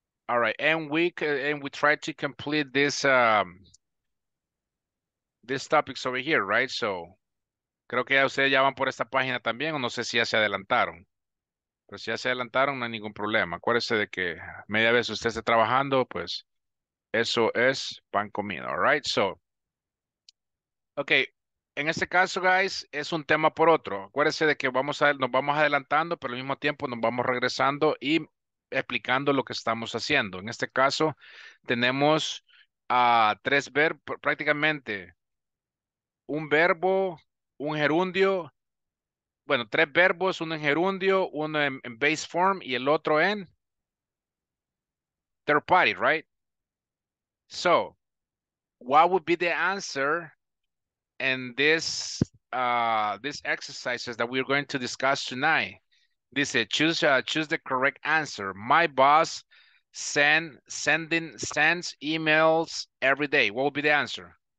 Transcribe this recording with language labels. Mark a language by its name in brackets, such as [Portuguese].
[English] All right, and we try to complete this topics over here, right? [Spanish] So, creo que ya ustedes ya van por esta página también, o no sé si ya se adelantaron. Pero si ya se adelantaron, no hay ningún problema. Acuérdese de que media vez usted esté trabajando, pues eso es pan comido, all right? So, okay, en este caso, guys, es un tema por otro. Acuérdese de que nos vamos adelantando, pero al mismo tiempo nos vamos regresando y explicando lo que estamos haciendo. En este caso, tenemos tres verbos, prácticamente un verbo, un gerundio. Bueno, tres verbos, uno en gerundio, uno en base form y el otro en third party, right? [English] So, what would be the answer in this exercises that we're going to discuss tonight? Dice, choose the correct answer. My boss sends emails every day. What would be the answer?